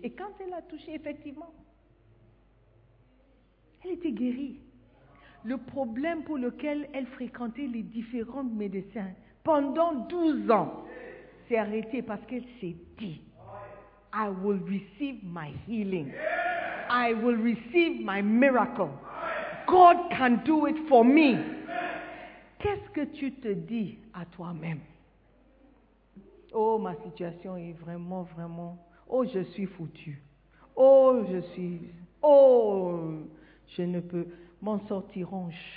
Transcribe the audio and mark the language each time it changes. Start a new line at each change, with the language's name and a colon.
French: Et quand elle a touché, effectivement, elle était guérie. Le problème pour lequel elle fréquentait les différents médecins pendant 12 ans s'est arrêté parce qu'elle s'est dit, I will receive my healing.
English: I will receive my miracle. God can do it for me.
French: Qu'est-ce que tu te dis à toi-même? Oh, ma situation est vraiment, vraiment... Oh, je suis foutu. Oh, je suis... Oh, je ne peux... M'en sortiront.